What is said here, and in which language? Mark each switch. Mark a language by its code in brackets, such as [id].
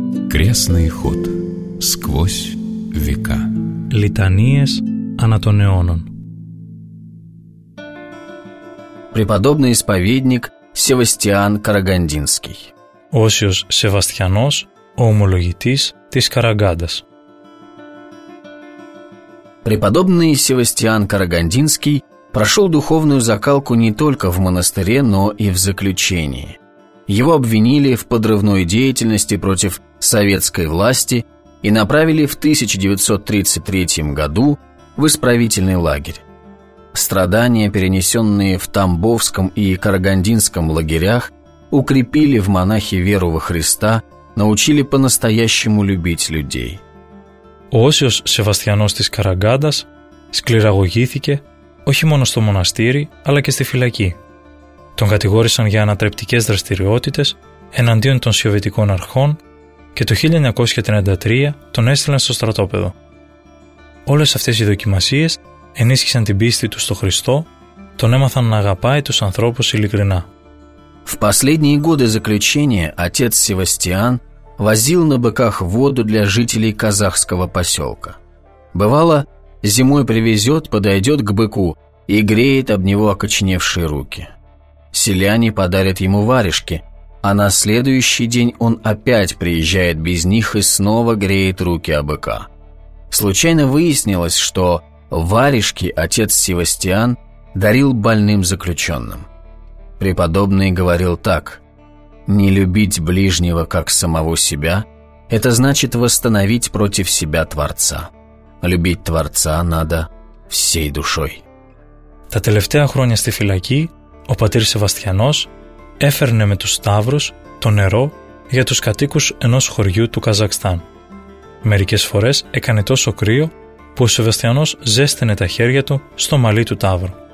[ru] Крестный ход сквозь века. [el] Λιτανίες ανά των αιώνων. [ru] Преподобный исповедник Севастиан Карагандинский. [el] Όσιος Σεβαστιανός, ο ομολογητής της Καραγκάντας. [ru] Преподобный Севастиан Карагандинский прошел духовную закалку не только в монастыре, но и в заключении. Его обвинили в подрывной деятельности против советской власти и направили в 1933 году в исправительный лагерь. Страдания, перенесенные в Тамбовском и Карагандинском лагерях, укрепили в монахе веру во Христа, научили по-настоящему любить людей. [el] Ο Όσιος Σεβαστιανός της Καραγκάντας σκληραγωγήθηκε όχι μόνο στο μοναστήρι, αλλά και στη φυλακή. Τον κατηγόρησαν για ανατρεπτικές δραστηριότητες εναντίον των Σοβιετικών αρχών και το 1933 τον έστειλαν στο στρατόπεδο. Όλες αυτές οι δοκιμασίες ενίσχυσαν την πίστη του στο Χριστό, τον έμαθαν να αγαπάει τους ανθρώπους ειλικρινά. [ru] В последние годы заключения отец Севастиан возил на быках воду для жителей казахского поселка. Бывало, зимой привезет, подойдет к быку и греет об него окоченевшие руки. Селяне подарят ему варежки, а на следующий день он опять приезжает без них и снова греет руки о быка. Случайно выяснилось, что варежки отец Севастиан дарил больным заключенным. Преподобный говорил так: «Не любить ближнего, как самого себя, это значит восстановить против себя Творца. Любить Творца надо всей душой». [el] Τα τελευταία χρόνια στη φυλακή, ο πατήρ Σεβαστιανός έφερνε με τους σταύρους το νερό για τους κατοίκους ενός χωριού του Καζακστάν. Μερικές φορές έκανε τόσο κρύο που ο Σεβαστιανός ζέστηνε τα χέρια του στο μαλλί του τάβρου.